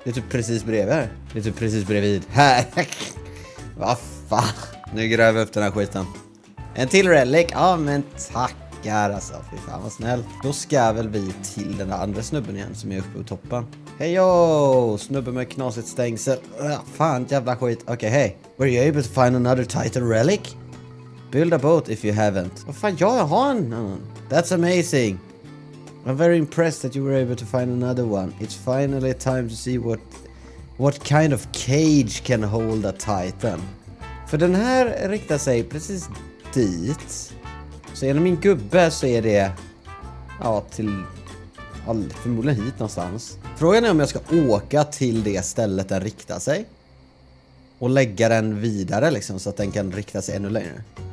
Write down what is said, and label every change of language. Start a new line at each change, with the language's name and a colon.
Swedish: Det är typ precis bredvid här. Det är typ precis bredvid. Här. Vafan. Nu gräver jag upp den här skiten. En till relic. Ja, men tackar alltså. Fy fan vad snäll. Då ska väl vi till den andra snubben igen som är uppe på toppen. Hej yo, snubbe med knasigt stängsel. Fan, jävla skit. Okej, hej.
English: Were you able to find another titan relic? Build a boat if you haven't.
Swedish: Vad fan, jag har en annan.
English: That's amazing. I'm very impressed that you were able to find another one. It's finally time to see what kind of cage can hold a titan.
Swedish: För den här riktar sig precis dit. Så genom min gubbe så är det... Ja, till... förmodligen hit någonstans. Frågan är om jag ska åka till det stället den riktar sig och lägga den vidare liksom, så att den kan rikta sig ännu längre.